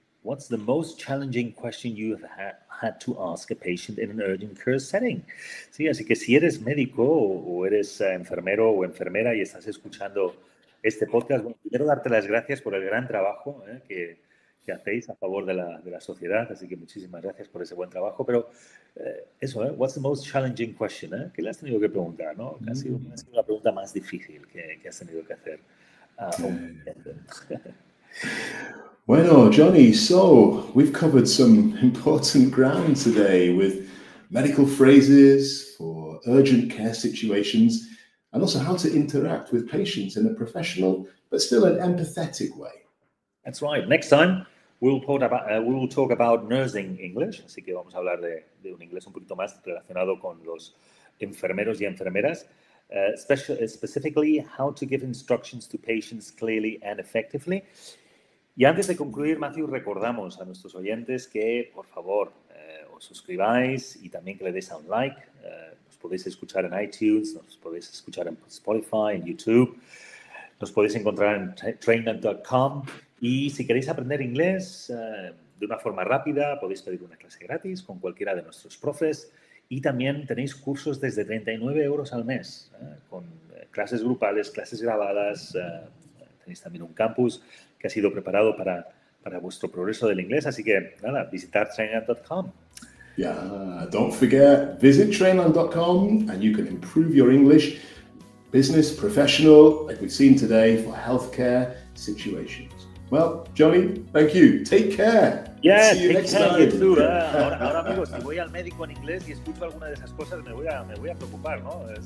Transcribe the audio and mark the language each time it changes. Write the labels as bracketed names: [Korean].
[English] What's the most challenging question you have had to ask a patient in an urgent care setting? [Spanish] Sí, así que si eres médico o eres enfermero o enfermera y estás escuchando este podcast, bueno, primero darte las gracias por el gran trabajo que hacéis a favor de la sociedad. Así que muchísimas gracias por ese buen trabajo. Pero [English] what's the most challenging question? [Spanish] ¿Qué le has tenido que preguntar, ¿no? Ha sido la pregunta más difícil que has tenido que hacer. Bueno, [English] Johnny, so we've covered some important ground today with medical phrases for urgent care situations and also how to interact with patients in a professional but still an empathetic way. That's right. Next time, we will talk about nursing English. [Spanish] Así que vamos a hablar de un inglés un poquito más relacionado con los enfermeros y enfermeras. [English] Specifically, how to give instructions to patients clearly and effectively. [Spanish] Y antes de concluir, Matthew, recordamos a nuestros oyentes que, por favor, os suscribáis y también que le deis a un like. Nos podéis escuchar en iTunes, nos podéis escuchar en Spotify, en YouTube. Nos podéis encontrar en trainland.com. Y si queréis aprender inglés de una forma rápida, podéis pedir una clase gratis con cualquiera de nuestros profes. Y también tenéis cursos desde 39 euros al mes, con clases grupales, clases grabadas. Tenéis también un campus que ha sido preparado para vuestro progreso del inglés. Así que, nada, visitar trainland.com. [English] Yeah, don't forget, visit trainland.com and you can improve your English, business, professional, like we've seen today, for healthcare situations. Well, Johnny, thank you. Take care. Yeah, see you take next care. Time. You too. [Spanish] Ahora, amigos, si voy al médico en inglés y escucho alguna de esas cosas, me voy a preocupar, ¿no?